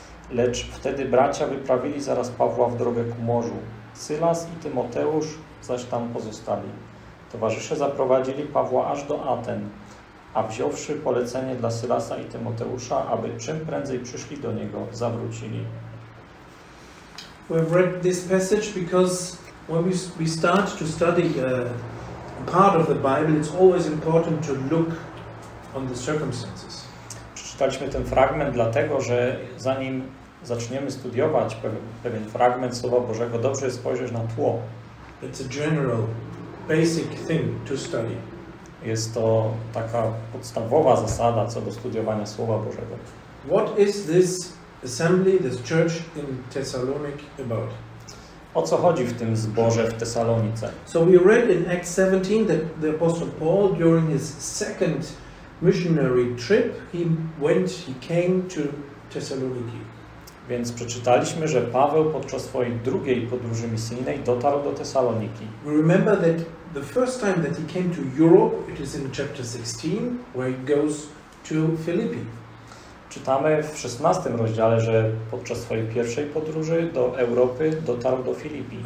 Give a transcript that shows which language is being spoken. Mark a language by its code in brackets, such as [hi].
[pl] Lecz wtedy bracia wyprawili zaraz Pawła w drogę ku morzu. Sylas i Tymoteusz zaś tam pozostali. Towarzysze zaprowadzili Pawła aż do Aten, a wziąwszy polecenie dla Sylasa i Tymoteusza, aby czym prędzej przyszli do niego, zawrócili. [en] We've read this passage because when we start to study part of the Bible, it's always important to look on the circumstances. [pl] Przeczytaliśmy ten fragment dlatego, że zanim zaczniemy studiować pewien fragment Słowa Bożego, dobrze jest spojrzeć na tło. [en] It's a general, basic thing to study. [pl] Jest to taka podstawowa zasada co do studiowania Słowa Bożego. [en] What is this assembly, this church in Thessaloniki about? [pl] O co chodzi w tym zborze w Tesalonice? [en] So we read in Acts 17 that the apostle Paul during his second missionary trip, he came to Thessaloniki. [pl] Więc przeczytaliśmy, że Paweł podczas swojej drugiej podróży misyjnej dotarł do Tesaloniki. [en] We remember that the first time that he came to Europe, it is in chapter 16, where he goes to Philippi. [pl] Czytamy w 16 rozdziale, że podczas swojej pierwszej podróży do Europy dotarł do Filipii.